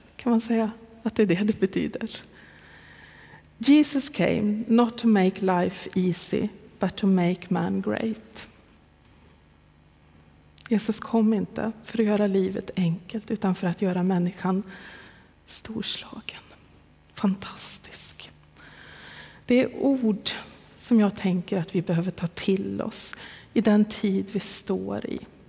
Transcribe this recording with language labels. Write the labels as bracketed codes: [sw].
[sv] Kan man säga att det är det betyder? [en] Jesus came not to make life easy, but to make man great. [sv] Jesus kom inte för att göra livet enkelt, utan för att göra människan storslagen. Fantastisk. Det är ord som jag tänker att vi behöver ta till oss i den tid vi står i.